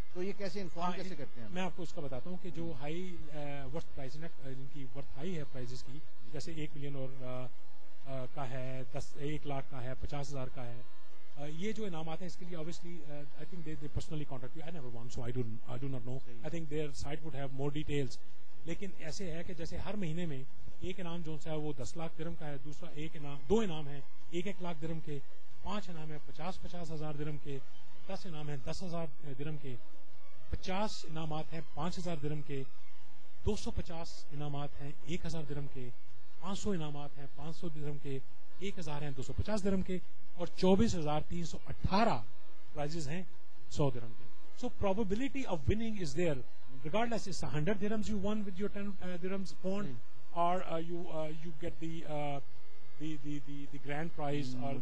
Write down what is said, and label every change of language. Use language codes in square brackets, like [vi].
[ur] تو یہ کیسے انفارم کیسے کرتے ہیں میں آپ کو اس کا بتاتا ہوں کہ جو ہائی ورتھ پرائز جن کی ورتھ ہائی ہے پرائزز کی جیسے 1 ملین اور کا ہے 1 لاکھ کا ہے 50,000 کا ہے یہ جو انعامات ہیں اس کے لیے [en] obviously I think they personally contact you. I never won, so I do not know. I think their site would have more details. [ur] لیکن ایسے ہے کہ جیسے ہر مہینے میں ایک انعام جو ہے وہ 10 لاکھ درہم کا ہے دوسرا ایک انعام دو انعام ہے 1-1 لاکھ درہم کے 5 انعام ہے 50,000 درہم کے 10 انعام ہے 10,000 درہم کے 50 انعامات ہیں 5,000 درہم کے 250 انعامات ہیں 1,000 درہم کے 500 انعامات ہیں 500 درہم کے 1,000 ہیں 250 درہم کے اور 24,318 پرائزز ہیں 100 درہم کے [en] so probability of winning is there regardless it's 100 dirham you win with your 10 dirhams bond اور you get the grand prize اور